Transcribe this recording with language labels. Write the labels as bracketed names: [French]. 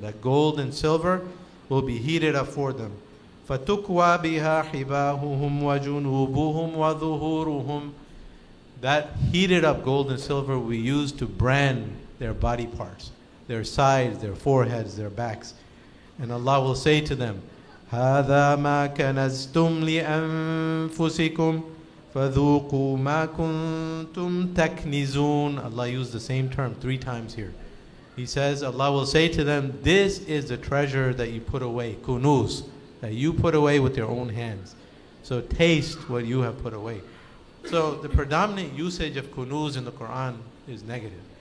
[English] That gold and silver will be heated up for them. [Arabic] فَتُكْوَى بِهَا حِبَاهُهُمْ وَجُنُوبُهُمْ وَظُهُورُهُمْ [English] That heated up gold and silver we use to brand their body parts. their sides, their foreheads, their backs. And Allah will say to them, [Arabic] هَذَا مَا كَنَزْتُمْ لِأَنفُسِكُمْ فَذُوقُوا مَا كُنْتُمْ تَكْنِزُونَ. [English] Allah used the same term 3 times here. He says, Allah will say to them, this is the treasure that you put away, kunuz, that you put away with your own hands. So taste what you have put away. So the predominant usage of kunuz in the Quran is negative.